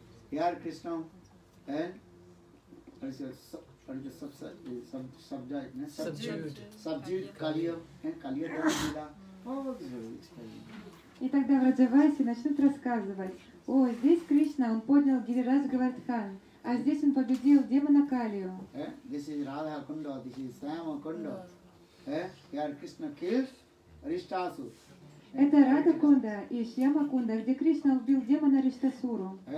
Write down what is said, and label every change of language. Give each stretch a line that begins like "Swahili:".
English: Here Krishna, subdued Kaliya, Kaliya Dhan Lila.
Russian: И тогда Враджаваси начнут рассказывать, о, здесь Кришна, он поднял Гирирас Гавардхан, а здесь он победил демона Калию.
English: This is Radha Kunda, this is Sama Kunda. Here Krishna kills Arishtasu.
Russian: Это Радха Кунда и Шьяма Кунда, где Кришна убил демона Риштасуру.